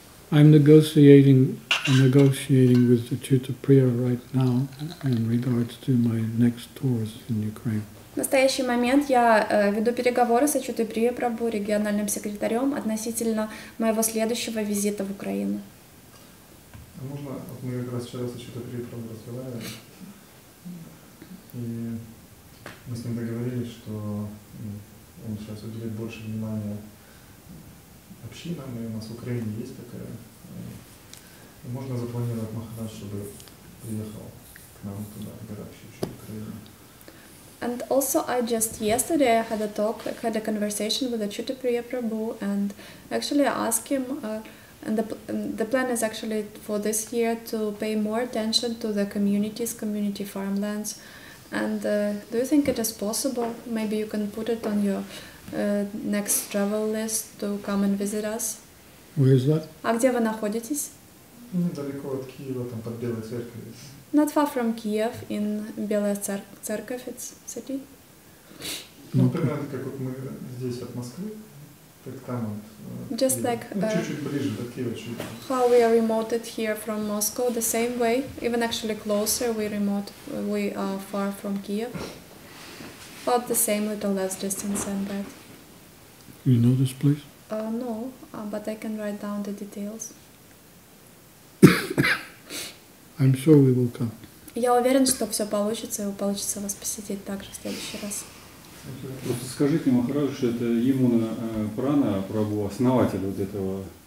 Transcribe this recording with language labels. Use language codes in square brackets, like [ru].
[en] I'm negotiating with the Chitapriya right now in regards to my next tours in Ukraine. [ru] В настоящий момент я веду переговоры с Чутаприя Прабу, региональным секретарем, относительно моего следующего визита в Украину. А можно, вот мы как раз вчера с Чутаприя Прабу разговаривали, и мы с ним договорились, что он сейчас уделит больше внимания общинам, и у нас в Украине есть такая. И можно запланировать Махарадж, чтобы приехал к нам туда, в горообщину Украины. [en] And also, I just yesterday I had a talk, I had a conversation with the Chutapriya Prabhu, and actually I asked him, and the plan is actually for this year to pay more attention to the communities, community farmlands, and do you think it is possible? Maybe you can put it on your next travel list to come and visit us. Where is that? [ru] А где вы находитесь? Недалеко от Киева, там под Белой Церковью. [en] Not far from Kiev, in Belaya Tserkov, it's a city. [ru] Ну, примерно, как вот мы здесь от Москвы, так там вот. [en] Just like... [ru] Чуть-чуть ближе, до Киева чуть-чуть. [en] How we are remote here from Moscow, the same way, even actually closer, we are far from Kiev. About the same little less distance than that. You know this place? No, but I can write down the details. I'm sure we will come. [ru] Я уверен, что все получится, и получится вас посетить также в следующий раз. Просто скажите Махараджу, что это Ямуна Прана Прабу, основатель вот этого.